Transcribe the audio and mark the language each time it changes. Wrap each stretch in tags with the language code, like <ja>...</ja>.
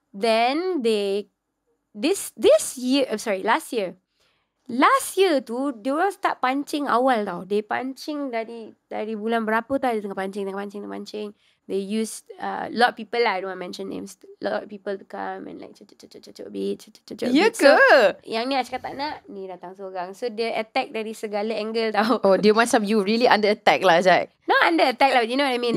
<en>Then they, last year</en> <ms>tu, diorang start pancing awal tau.</ms> <en>They</en> <ms>pancing dari bulan berapa tau, dia tengah pancing.</ms> <en>They used, a lot of people lah, I don't want to mention names, lot of people to come and like, chuk-chuk-chuk-chuk-chuk-chuk-chuk-chuk-chuk-chuk-chuk-chuk-chuk-chuk.</en> <ms>Ya ke? Yang ni Ashka tak nak, ni datang seorang. So dia attack dari segala angle tau. Oh, dia macam</ms> <en>you really under attack</en> <ms>lah, Jack.</ms> <en>Not under attack lah, but you know what I mean?</en>